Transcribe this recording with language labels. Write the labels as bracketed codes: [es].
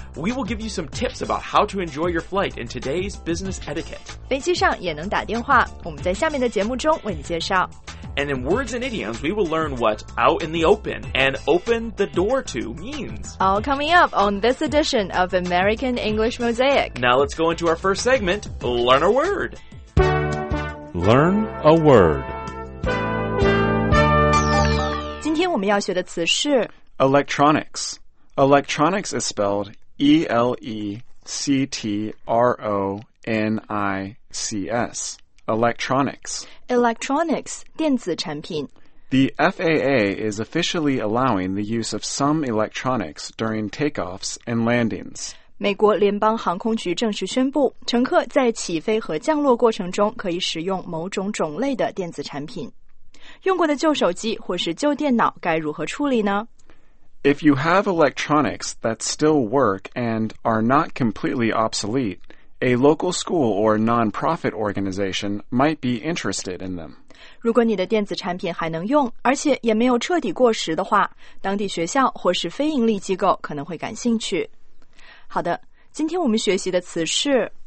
[en] We will give you some tips about how to enjoy your flight in today's business etiquette. [zh] 飞机上也能打电话，我们在下面的节目中为你介绍。 [en] And in words and idioms, we will learn what out in the open and open the door to means. All coming up on this edition of American English Mosaic. Now let's go into our first segment, Learn a Word. Learn a Word. [zh] 今天我们要学的词是 [en] Electronics. Electronics is spelled E-L-E-C-T-R-O-N-I-C-S. Electronics. [zh] Electronics, 电子产品。 [en] The FAA is officially allowing the use of some electronics during takeoffs and landings. [zh] 美国联邦航空局正式宣布，乘客在起飞和降落过程中可以使用某种种类的电子产品。用过的旧手机或是旧电脑该如何处理呢？ [en] If you have electronics that still work and are not completely obsolete, a local school or non-profit organization might be interested in them. [zh] 如果你的电子产品还能用，而且也没有彻底过时的话，当地学校或是非盈利机构可能会感兴趣。好的，今天我们学习的词是